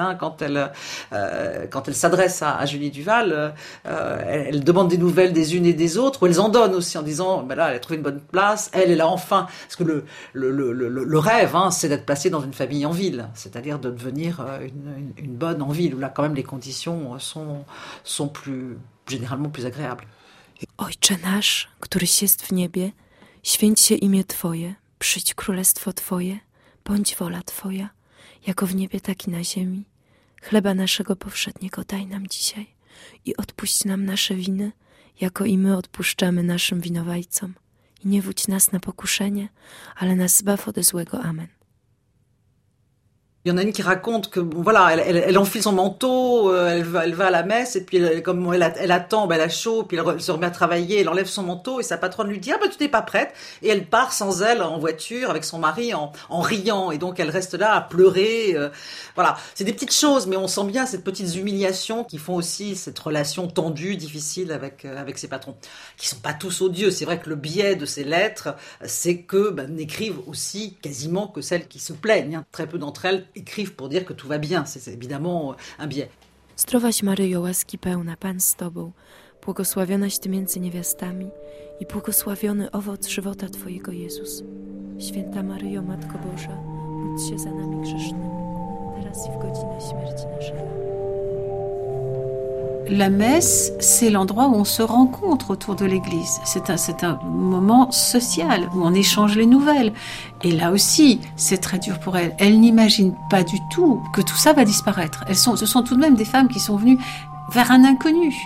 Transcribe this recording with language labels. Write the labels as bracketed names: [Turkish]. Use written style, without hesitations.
[French] Hein, quand elle s'adresse à Julie Duval, elle demande des nouvelles des unes et des autres, ou elle en donne aussi en disant ben là, elle a trouvé une bonne place, elle est là enfin. Parce que le rêve, hein, c'est d'être placée dans une famille en ville, c'est-à-dire de devenir une bonne en ville, où là quand même les conditions sont plus... [Polish] Generalnie [French] plus agréable. [Polish] Ojcze nasz, któryś jest w niebie, święć się imię Twoje, przyjdź królestwo Twoje, bądź wola Twoja, jako w niebie, tak i na ziemi. Chleba naszego powszedniego daj nam dzisiaj i odpuść nam nasze winy, jako i my odpuszczamy naszym winowajcom. I nie wódź nas na pokuszenie, ale nas zbaw od złego. Amen. [French] Il y en a une qui raconte que voilà, elle enfile son manteau, elle va à la messe et puis elle attend, elle a chaud, puis elle se remet à travailler, elle enlève son manteau et sa patronne lui dit ah ben tu n'es pas prête et elle part sans elle en voiture avec son mari en riant et donc elle reste là à pleurer. Voilà, c'est des petites choses mais on sent bien ces petites humiliations qui font aussi cette relation tendue, difficile avec ses patrons qui sont pas tous odieux. C'est vrai que le biais de ces lettres c'est que n'écrivent aussi quasiment que celles qui se plaignent, hein. Très peu d'entre elles écrivent pour dire que tout va bien, c'est évidemment un biais. [Polish] Zdrowaś Maryjo, łaski pełna, Pan z Tobą, błogosławionaś Ty między niewiastami i błogosławiony owoc żywota Twojego, Jezus. Święta Maryjo, Matko Boża, módl się za nami grzesznymi, teraz i w godzinę śmierci naszej. [French] la messe, c'est l'endroit où on se rencontre autour de l'église. C'est un moment social où on échange les nouvelles. Et là aussi, c'est très dur pour elle. Elle n'imagine pas du tout que tout ça va disparaître. Ce sont tout de même des femmes qui sont venues vers un inconnu.